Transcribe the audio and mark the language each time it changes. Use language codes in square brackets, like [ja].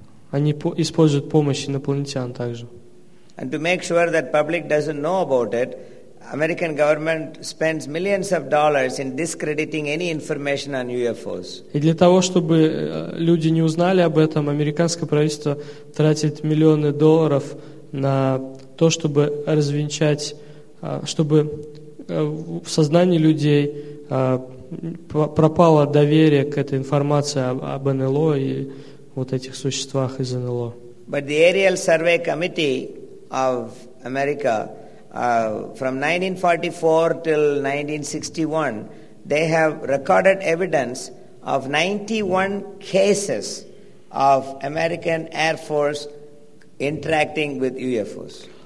[ru] Они используют помощь инопланетян также. [en] And to make sure that public doesn't know about it, American government spends millions of dollars in discrediting any information on UFOs. [ru] И для того, чтобы люди не узнали об этом, американское правительство тратит миллионы долларов на то, чтобы развенчать, чтобы в сознании людей пропало доверие к этой информации об НЛО и вот этих существах из НЛО. [en] But the Aerial Survey Committee of America, from 1944 till 1961, they have recorded evidence of 91 cases of American Air Force interacting with UFOs.